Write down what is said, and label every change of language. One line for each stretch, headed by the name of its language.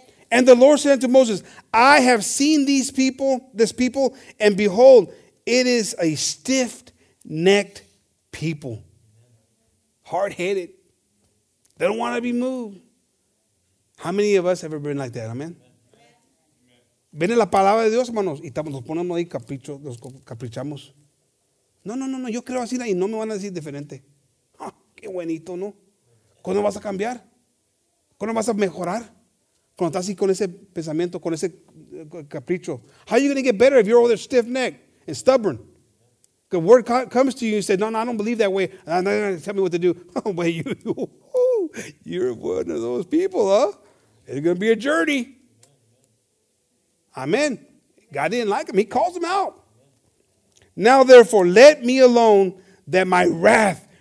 English: And the Lord said unto Moses, I have seen this people, and behold, it is a stiff-necked people. Hard-headed. They don't want to be moved. How many of us have ever been like that? Amen.
Spanish: Viene la palabra de Dios, hermanos, y nos ponemos ahí capricho, nos caprichamos. No, yo creo así y no me van a decir diferente. Qué buenito, ¿no? ¿Cuándo vas a cambiar? ¿Cuándo vas a mejorar? Cuando estás así con ese pensamiento, con ese capricho.
English: How are you going to get better if you're over there stiff-necked and stubborn? The word comes to you and says, no, I don't believe that way. I'm not going to tell me what to do. Well, you're one of those people, huh? It's going to be a journey. Amen. God didn't like him. He calls him out. Now, therefore, let me alone that my wrath